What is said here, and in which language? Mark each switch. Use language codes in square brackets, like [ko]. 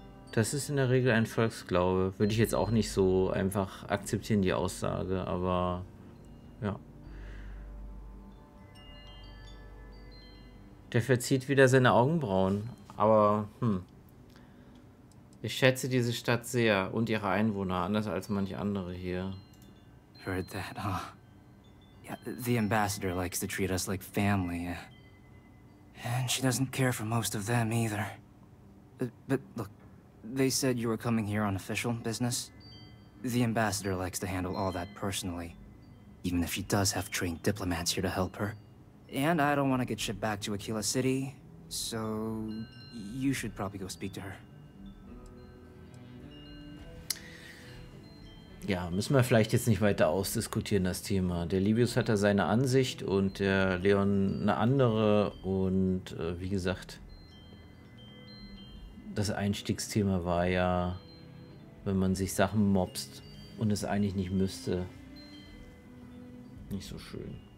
[de] Das ist in der Regel ein Volksglaube. Würde ich jetzt auch nicht so einfach akzeptieren, die Aussage, aber ja. Der verzieht wieder seine Augenbrauen, aber ich schätze diese Stadt sehr und ihre Einwohner, anders als manche andere hier. [en] Heard that, huh? Yeah, the ambassador likes to treat us like family. And she doesn't care for most of them either. But look, they said you were coming here on official business. The ambassador likes to handle all that personally, even if she does have trained diplomats here to help her. And I don't want to get shipped back to Aquila City, so you should probably go speak to her. [de] Ja, müssen wir vielleicht jetzt nicht weiter ausdiskutieren, das Thema. Der Livius hat da seine Ansicht und der Leon eine andere. Und wie gesagt, das Einstiegsthema war ja, wenn man sich Sachen mobst und es eigentlich nicht müsste. Nicht so schön.